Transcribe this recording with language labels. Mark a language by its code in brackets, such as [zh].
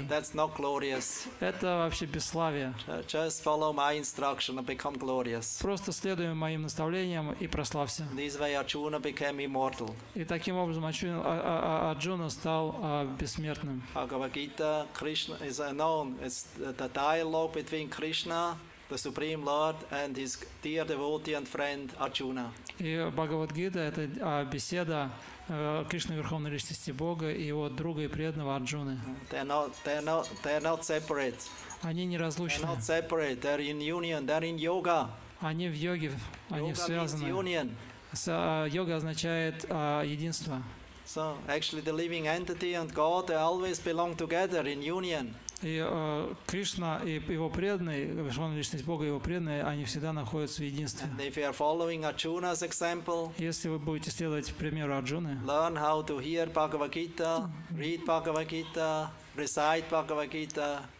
[en] That's not glorious. [ru] Это вообще бесславие. [en] Just follow my instruction and become glorious. [ru] Просто следуй моим наставлениям и прославься. [en] This way Arjuna became immortal. [ru] И таким образом Арджуна стал бессмертным. [en] Bhagavad Gita, Krishna is known. It's the dialogue between Krishna, the Supreme Lord, and his dear devotee and friend Arjuna. [ru] И Бхагавад Гита — это беседа Кришны, Верховной Личности Бога, и его друга и преданного Арджуны. Они неразлучны. [en] They're not separate. They're in union. They're in yoga. [ru] Они в йоге, они связаны. Йога означает единство. [en] So, actually, the living entity and God, they always belong together in union. [ru] И Кришна и его преданные, Верховная Личность Бога и его преданные, они всегда находятся в единстве. [en] And if you are following Arjuna's example, [ru] если вы будете следовать примеру Арджуны, [en] learn how to hear Bhagavad Gita, read Bhagavad Gita, recite Bhagavad Gita,